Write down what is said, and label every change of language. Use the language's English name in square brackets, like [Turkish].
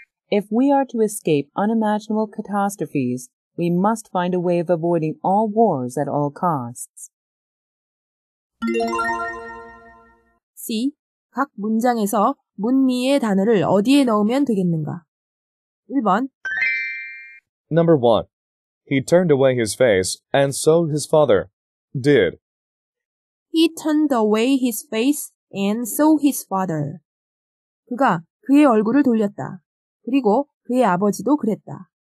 [English] If we are to escape unimaginable catastrophes, we must find a way of avoiding all wars at all costs. C. [Korean] 각 문장에서 문미의 단어를 어디에 넣으면 되겠는가? 1번 [English] Number 1. He turned away his face, and so his father did. He turned away his face, and so his father. [Korean] 그가 그의 얼굴을 돌렸다. 그리고 그의 아버지도 그랬다.